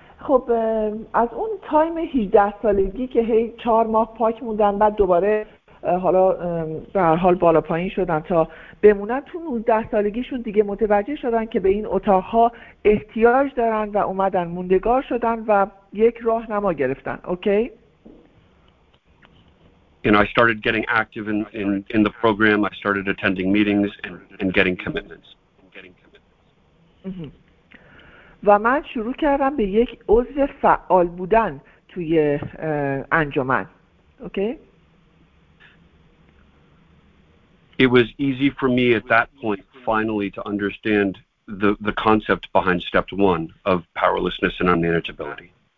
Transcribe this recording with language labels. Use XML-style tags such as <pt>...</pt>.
<fa>خب از اون تایم 18 سالگی که هی 4 ماه پاک موندن، بعد دوباره حالا به هر حال بالا پایین شدن تا بمونن، تو 19 سالگیشون دیگه متوجه شدن که به این اتاقها احتیاج دارن و اومدن موندگار شدن و یک راه نما گرفتن.</fa> <en>Okay? You know, I started getting active in the program. I started attending meetings and getting commitments.</en> <fa>و من شروع کردم به یک عضو فعال بودن توی انجمن.</fa> <en>Okay? It was easy for me at that point finally to understand the concept behind step one of powerlessness and unmanageability.</en>